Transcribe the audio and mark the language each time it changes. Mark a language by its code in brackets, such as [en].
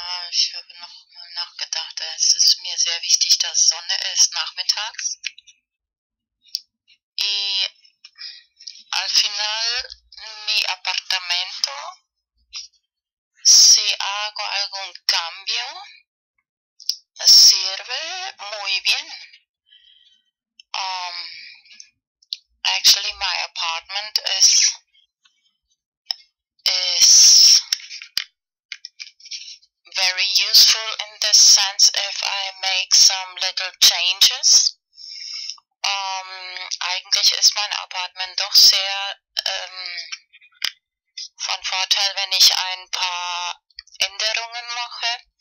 [de] Ich habe noch mal nachgedacht, es ist mir sehr wichtig, dass Sonne ist nachmittags. [es] Y al final mi apartamento, si hago algún cambio, sirve muy bien. [en] Actually, my apartment is very useful in this sense. If I make some little changes, [de] eigentlich ist mein Apartment doch sehr von Vorteil, wenn ich ein paar Änderungen mache.